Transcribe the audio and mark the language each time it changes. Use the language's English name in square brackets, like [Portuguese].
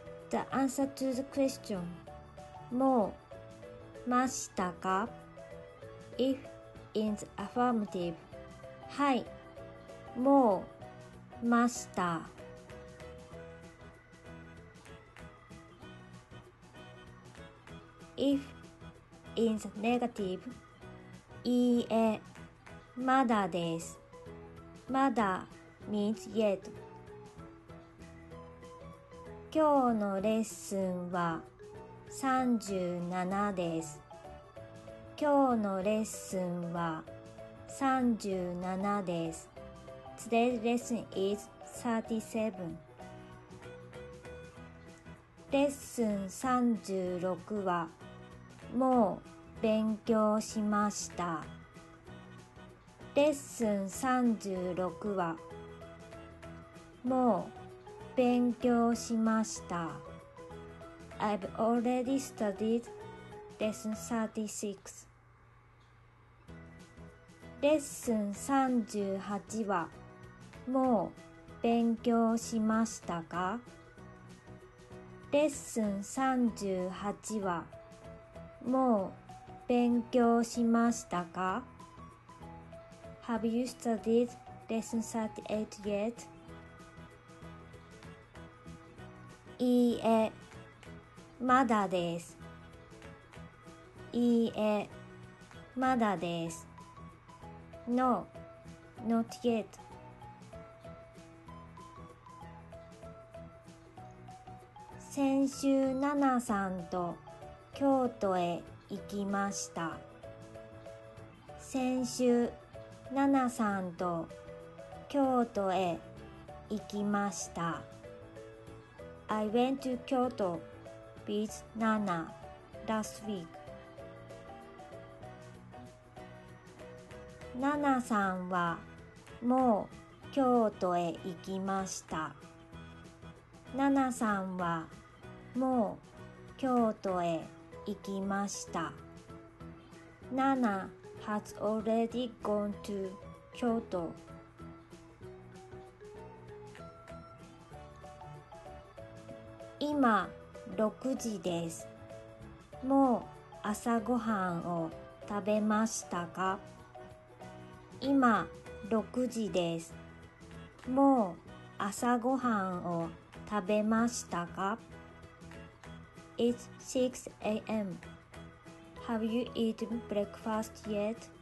[English] The answer to the question [Japanese] もうましたか [English] If in the affirmative [Japanese] はい、もうました [English] IfIn the negative, [Japanese] いいえ、まだです。 [English] まだ means yet. [Japanese] 今日のレッスンは37です。今日のレッスンは37です。 [English] Today's lesson is 37. [Japanese] レッスン36はもう勉強しました。レッスン36はもう勉強しました。 [English] I've already studied lesson 36. [Japanese] レッスン38はもう勉強しましたか？レッスン38はもう勉強しましたか? [English] Have you studied lesson 38 yet? [Japanese] いいえ、まだです。いいえ、まだです。 [English] No, not yet. [Japanese] Nana さんと京都へ行きました。先週、奈々さんと京都へ行きました。 [English] I went to Kyoto with Nana last week. [Japanese] 奈々さんはもう京都へ行きました。奈々さんはもう京都へ行きました。 [English] Nana has already gone to Kyoto. [Japanese] Ima 6時です。もう朝ごはんを食べましたか？今6時です。もう朝ごはんを食べましたか？ [English] It's 6 a.m. Have you eaten breakfast yet?